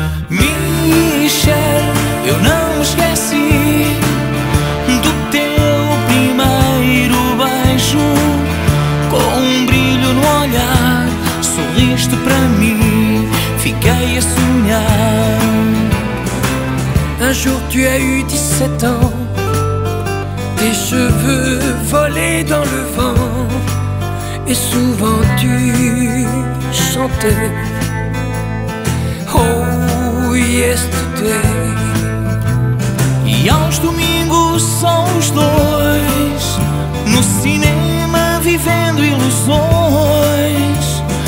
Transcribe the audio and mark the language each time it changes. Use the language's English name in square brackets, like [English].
[Portuguese] Michel, et on a esqueci do teu primeiro beijo. Com brilho no olhar, sorriste pra mim, fiquei a sonhar. [French] Un jour tu as eu 17 ans, tes cheveux volaient dans le vent, et souvent tu chantais [English] oh yesterday. [Portuguese] E aos domingos são os dois no cinema vivendo ilusões.